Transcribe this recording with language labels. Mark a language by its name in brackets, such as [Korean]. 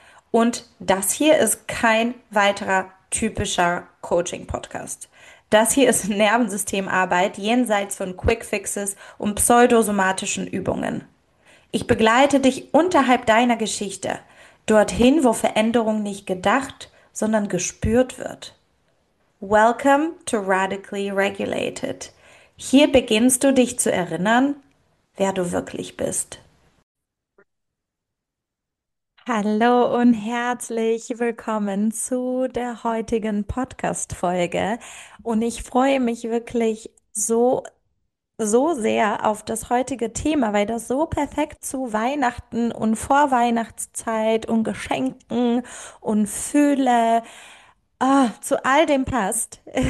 [German] Und das hier ist kein weiterer typischer Coaching-Podcast. Das hier ist Nervensystemarbeit jenseits von Quickfixes und pseudosomatischen Übungen. Ich begleite dich unterhalb deiner Geschichte, dorthin, wo Veränderung nicht gedacht, sondern gespürt wird. [English] Welcome to Radically Regulated. [German] Hier beginnst du dich zu erinnern, wer du wirklich bist. Hallo und herzlich willkommen zu der heutigen Podcast-Folge. Und ich freue mich wirklich so, so sehr auf das heutige Thema, weil das so perfekt zu Weihnachten und Vorweihnachtszeit und Geschenken und Fülle, zu all dem passt.